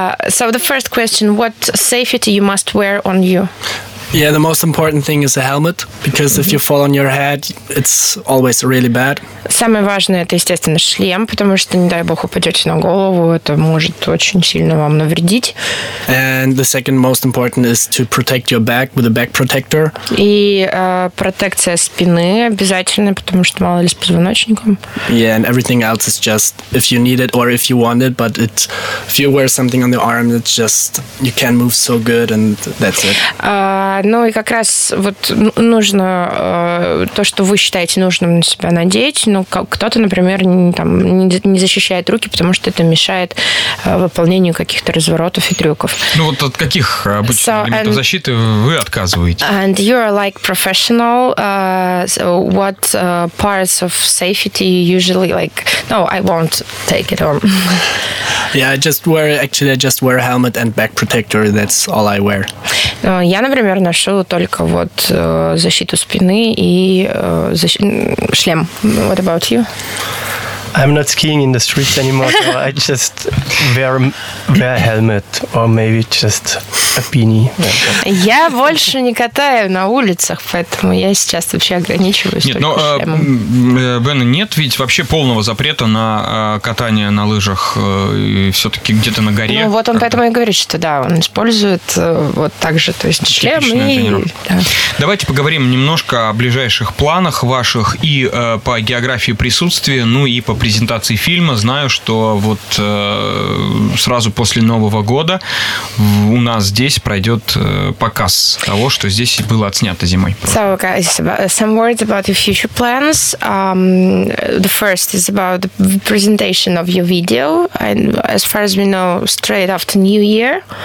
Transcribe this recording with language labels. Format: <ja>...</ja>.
<en>So the first question, what safety you must wear on you? Yeah, the most important thing is a helmet, because if you fall on your head, it's always really bad.</en> <ru>Самое важное это, естественно, шлем, потому что не дай бог упадете на голову, это может очень сильно вам навредить.</ru> <en>And the second most important is to protect your back with a back protector.</en> <ru>И протекция спины обязательно, потому что мало ли с позвоночником.</ru> <en>Yeah, and everything else is just if you need it or if you want it, but it, if you wear something on the arm, it's just you can't move so good, and that's it.</en> <ru>Ну и как раз вот нужно то, что вы считаете нужным на себя надеть. Ну, кто-то, например, не защищает руки, потому что это мешает выполнению каких-то разворотов и трюков. Ну вот от каких обычных элементов защиты вы отказываете?</ru> <en>And you're like professional. So what parts of safety usually like? No, I won't take it on. Yeah, I just wear. Actually, I just wear a helmet and back protector. That's all I wear.</en> <ru>Я, например, ношу только вот защиту спины и шлем.</ru> <en>What about you? I'm not skiing in the streets anymore, so I just wear a helmet or maybe just a beanie.</en> <ru>Я больше не катаю на улицах, поэтому я сейчас вообще ограничиваюсь только шлемом. Бен, нет ведь вообще полного запрета на катание на лыжах и все-таки где-то на горе. Ну вот он поэтому и говорит, что да, он использует вот так же, то есть шлем и... Давайте поговорим немножко о ближайших планах ваших и по географии присутствия, ну и по презентации фильма. Знаю, что вот сразу после Нового года у нас здесь пройдет показ того, что здесь было отснято зимой.</ru> <en>So, guys, some words about your future plans. The first is about the presentation of your video. And as far as we know, straight after New Year.</en>